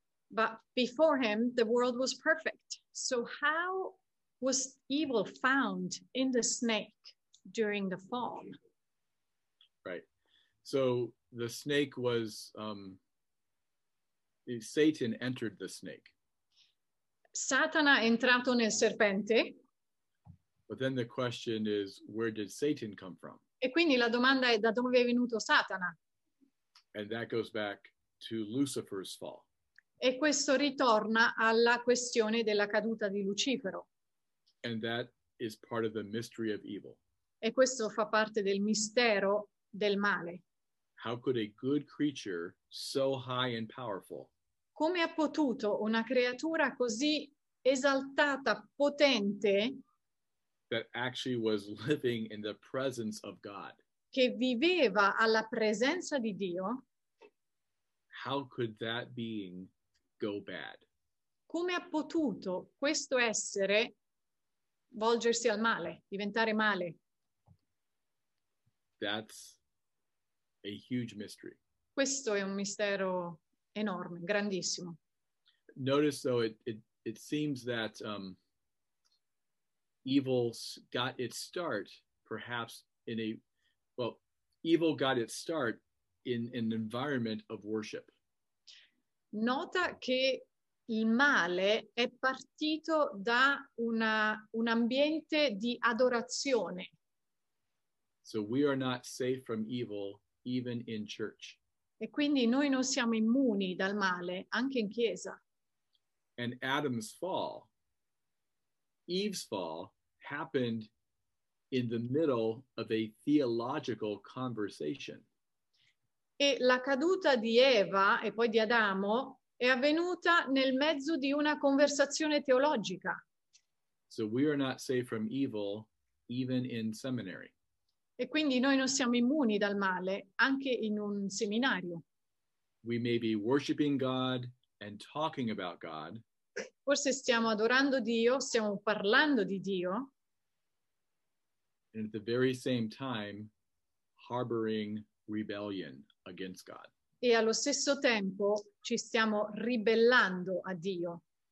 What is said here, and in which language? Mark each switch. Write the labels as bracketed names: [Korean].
[English] But before him, the world was perfect. So how was evil found in the snake during the fall? Right. So the snake was... Satan entered the snake. [Italian] Satana è entrato nel serpente. [English] But then the question is, where did Satan come from? [Italian] E quindi la domanda è, da dove è venuto Satana? [English] And that goes back to Lucifer's fall. [Italian] E questo ritorna alla questione della caduta di Lucifero. [English] And that is part of the mystery of evil. [Italian] E questo fa parte del mistero del male. [English] How could a good creature so high and powerful? [Italian] Come ha potuto una creatura così esaltata, potente, [English] that actually was living in the presence of God. [Italian] Che viveva alla presenza di Dio. [English] How could that being go bad? [Italian] Come ha potuto questo essere volgersi al male, diventare male? [English] That's a huge mystery. [Italian] Questo è un mistero enorme, grandissimo. [English] Notice though, it seems that evil's got its start perhaps in a, well, evil got its start in an environment of worship. [Italian] Nota che il male è partito da un ambiente di adorazione. [English] So we are not safe from evil even in church. [Italian] E quindi noi non siamo immuni dal male anche in chiesa. [English] And Adam's fall, Eve's fall, happened in the middle of a theological conversation. [Italian] E la caduta di Eva e poi di Adamo è avvenuta nel mezzo di una conversazione teologica. [English] So we are not safe from evil even in seminary. [Italian] E quindi noi non siamo immuni dal male anche in un seminario. [English] We may be worshiping God and talking about God. [Italian] Forse stiamo adorando Dio, stiamo parlando di Dio. [English] And at the very same time harboring rebellion against God. [Italian] E allo stesso tempo ci stiamo ribellando a Dio.